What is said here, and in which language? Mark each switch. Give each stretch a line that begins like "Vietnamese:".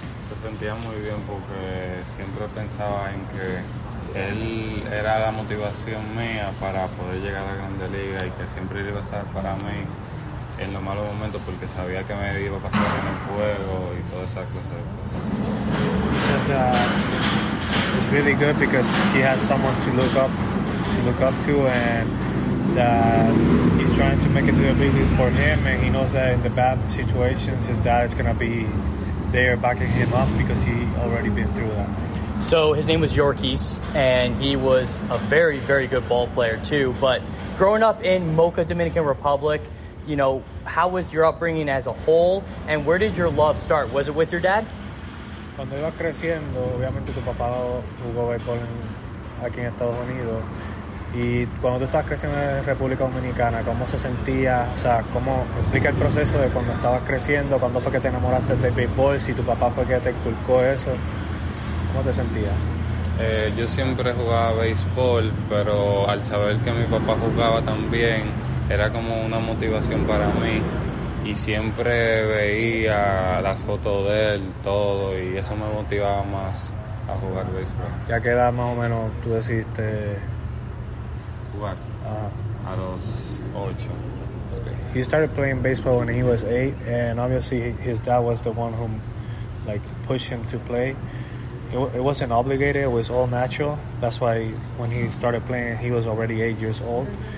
Spanish: Se sentía muy bien porque siempre pensaba en que él era la motivación mía para poder llegar a la Grande Liga y que siempre iba a estar para mí en los malos momentos porque sabía que me iba a pasar en el juego y todas esas cosas.
English: He says that it's really good because he has someone to look up to and that he's trying to make it to the big leagues for him, and he knows that in the bad situations his dad is going to be there backing him up because he already been through that. So his name was Yorkies, and he was a very, very good ball player too. But growing up in Moca, Dominican Republic, you know, how was your upbringing as a whole, and where did your love start? Was it with your dad?
Spanish: Cuando iba creciendo, obviamente tu papá jugó béisbol aquí en Estados Unidos. Y cuando tú estabas creciendo en República Dominicana, ¿cómo se sentía? O sea, ¿cómo explica el proceso de cuando estabas creciendo? ¿Cuándo fue que te enamoraste del béisbol? Si tu papá fue que te inculcó eso. ¿Cómo te sentías? Yo siempre jugaba béisbol, pero al saber que mi papá jugaba también, era como una motivación para mí. Y siempre veía las fotos de él, todo, y eso me motivaba más a jugar béisbol. ¿Y a qué edad más o menos tú decidiste jugar? A los 8.
English: Okay. He started playing baseball when he was 8, and obviously his dad was the one who like pushed him to play. It wasn't obligated, it was all natural. That's why when he started playing, he was already 8 years old.